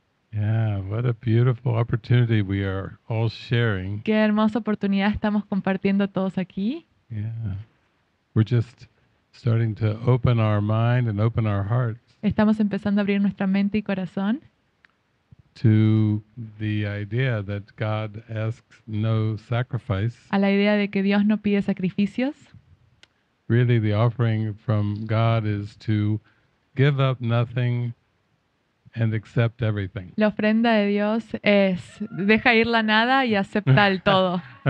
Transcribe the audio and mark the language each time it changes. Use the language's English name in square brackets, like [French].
[English] Yeah, what a beautiful opportunity we are all sharing. [Spanish] Qué hermosa oportunidad estamos compartiendo todos aquí. [English] Yeah. We're just starting to open our mind and open our hearts. [Spanish] Estamos empezando a abrir nuestra mente y corazón. [English] To the idea that God asks no sacrifice. [Spanish] A la idea de que Dios no pide sacrificios. [English] Really, the offering from God is to give up nothing and accept everything. [Spanish] La ofrenda de Dios es deja ir la nada y acepta el todo.